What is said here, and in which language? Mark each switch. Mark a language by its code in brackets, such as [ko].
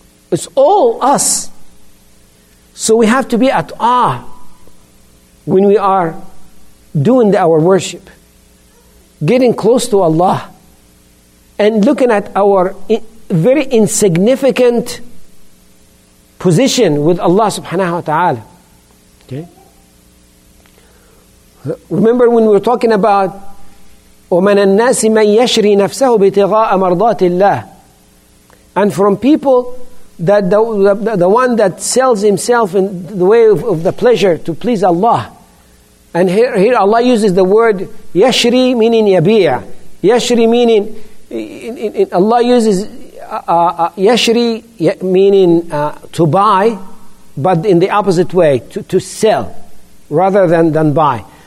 [en] It's all us. So we have to be at awe when we are doing our worship, getting close to Allah, and looking at our very insignificant position with Allah subhanahu wa ta'ala. Okay? Remember when we were talking about [ar] وَمَنَ النَّاسِ مَنْ يَشْرِي نَفْسَهُ بِتِغَاءَ مَرْضَاتِ اللَّهِ. [en] And from people, that the one that sells himself in the way of the pleasure to please Allah. And here Allah uses the word يَشْرِي meaning يَبِيع. يَشْرِي meaning Allah uses yashri meaning to buy, but in the opposite way, to sell rather than buy.